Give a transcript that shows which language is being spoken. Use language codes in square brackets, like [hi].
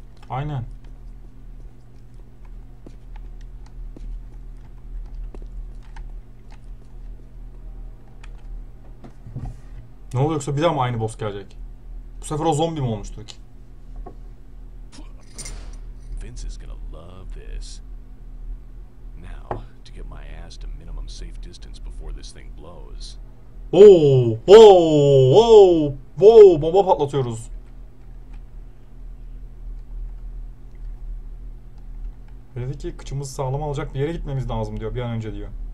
[tr] Aynen. Ne oluyor yoksa bir daha mı aynı boss gelecek? Bu sefer o zombi mi olmuştu ki? [en] Vince is gonna love this. Now, to get my ass to minimum safe distance before this thing blows. [tr] Oh, oh, oh, oh, bomba patlatıyoruz. Dedi ki kıçımızı sağlam alacak bir yere gitmemiz lazım diyor, bir an önce diyor.